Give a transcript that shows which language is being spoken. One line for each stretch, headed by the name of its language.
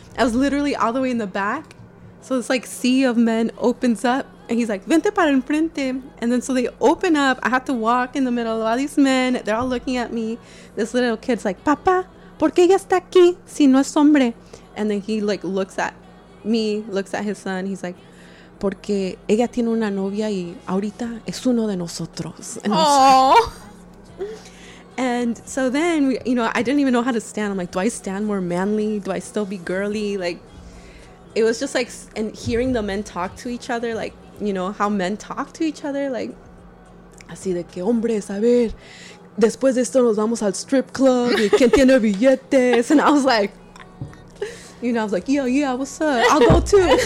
English: I was literally all the way in the back. So it's like, sea of men opens up. And he's like,
Spanish: vente para enfrente.
English: And then so they open up. I have to walk in the middle of all these men. They're all looking at me. This little kid's like,
Spanish: papa, ¿por qué ella está aquí si no es hombre?
English: And then he like looks at me, looks at his son. He's like,
Spanish: porque ella tiene una novia y ahorita es uno de nosotros.
English: And aww. And so then, you know, I didn't even know how to stand. I'm like, do I stand more manly? Do I still be girly? Like, it was just like, and hearing the men talk to each other, like, you know, how men talk to each other, like,
Spanish: así de que hombres, a ver, después de esto nos vamos al strip club, y quien tiene billetes,
English: and I was like, you know, I was like, yeah, yeah, what's up, I'll go too.